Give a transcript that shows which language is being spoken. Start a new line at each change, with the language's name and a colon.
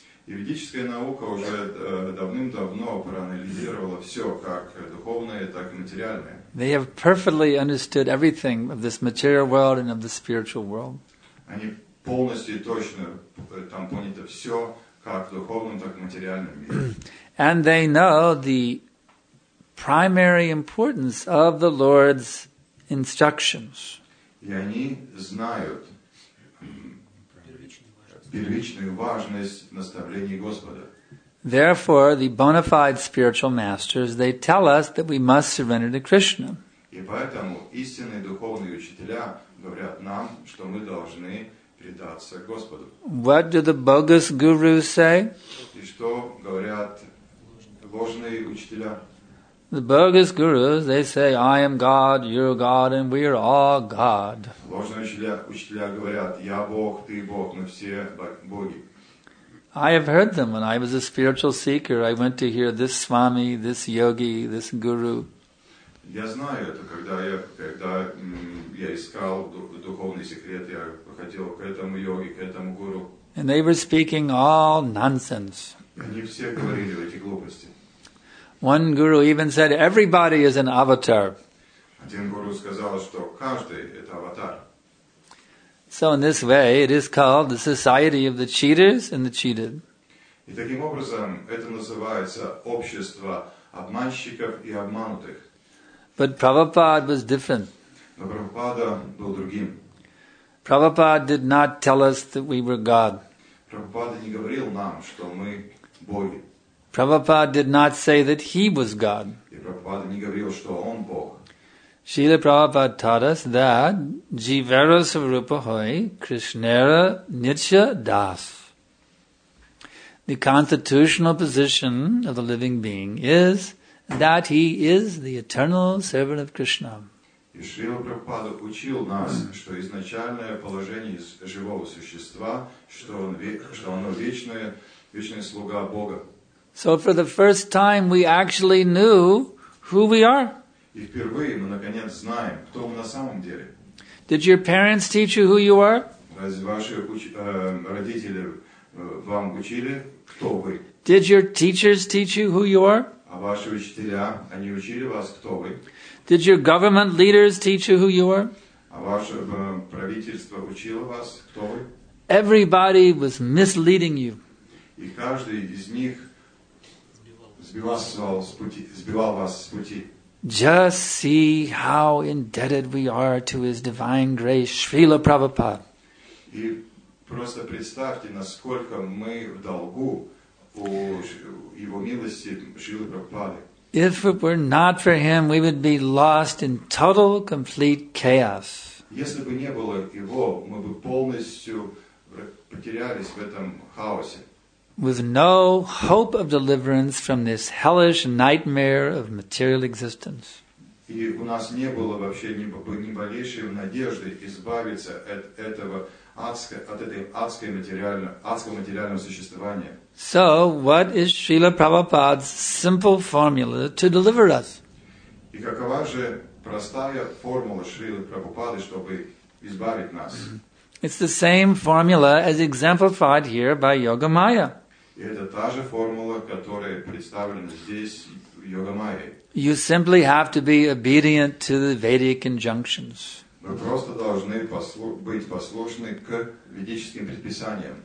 English: They have perfectly understood everything of this material world and of the spiritual world. And they know the primary importance of the Lord's instructions.
Russian: И они знают первичную важность наставлений Господа.
English: Therefore, the bona fide spiritual masters, they tell us that we must surrender to Krishna.
Russian: И поэтому истинные духовные учителя говорят нам, что мы должны предаться Господу.
English: What do the bogus gurus say?
Russian: И что говорят Божные учителя.
English: The bogus gurus, they say, I am God, you're God, and we are all God.
Russian: Ложные учителя, говорят, я Бог, ты Бог, мы все боги.
English: I have heard them when I was a spiritual seeker. I went to hear this Swami, this Yogi, this Guru.
Russian: Я знаю это, когда я искал духовные секреты, я хотел к этому йоге, к этому гуру.
English: And they were speaking all nonsense.
Russian: Они все говорили эти глупости.
English: One guru even said, everybody is an avatar.
Russian: Один гуру сказал, что каждый это аватар.
English: So in this way, it is called the society of the cheaters and the cheated.
Russian: И таким образом, это называется общество обманщиков и обманутых.
English: But Prabhupada was different.
Russian: Но Прабхупада был другим.
English: Prabhupada did not tell us that we were God.
Russian: Прабхупада не говорил нам, что мы боги.
English: Prabhupada did not say that he was God.
Russian: И Прабхупада не говорил, что он Бог.
Bangla: Śrīla Prabhupāda
English: taught us that
Bangla: jīvera svarūpa hoi kṛṣṇera nitya dās.
English: The constitutional position of the living being is that he is the eternal servant of Krishna.
Russian: Śrīla Prabhupāda учил нас, что изначальное положение живого существа, что оно вечное слуга Бога.
English: So for the first time we actually knew who we are.
Russian: И впервые мы наконец знаем, кто мы на самом деле.
English: Did your parents teach you who you are?
Russian: Разве ваши родители вам учили, кто вы?
English: Did your teachers teach you who you are?
Russian: А ваши учителя, они учили вас, кто вы?
English: Did your government leaders teach you who you are?
Russian: А ваше правительство учило вас, кто вы?
English: Everybody was misleading you.
Russian: И каждый из них сбивал вас с пути.
English: Just see how indebted we are to His divine grace, Śrīla Prabhupāda.
Russian: И просто представьте, насколько мы в долгу у Его милости Śrīla Prabhupāda.
English: If it were not for Him, we would be lost in total, complete chaos.
Russian: Если бы не было Его, мы бы полностью потерялись в этом хаосе.
English: With no hope of deliverance from this hellish nightmare of material existence.
Russian: И у нас не было вообще ни малейшей надежды избавиться от этого адского материального существования.
English: So, what is Śrīla Prabhupāda's simple formula to deliver us?
Russian: И какова же простая формула Śrīla Prabhupāda, чтобы избавить нас?
English: It's the same formula as exemplified here by Yogamaya.
Russian: И это та же формула, которая представлена здесь, Йогамайей.
English: You simply have to be obedient to the Vedic injunctions.
Russian: Вы просто должны быть послушны к ведическим предписаниям.